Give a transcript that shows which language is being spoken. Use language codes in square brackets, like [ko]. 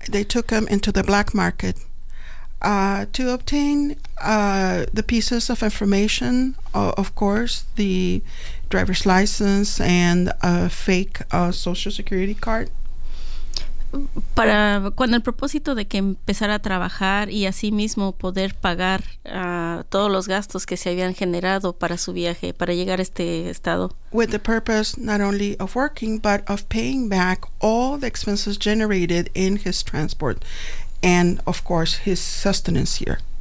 [en] They took him into the black market to obtain the pieces of information, of course, the driver's license and a fake social security card. [es] Para con el propósito de que empezara a trabajar y así mismo poder pagar todos los gastos que se habían generado para su viaje, para llegar a este estado. [en] With the purpose not only of working, but of paying back all the expenses generated in his transport and, of course, his sustenance here.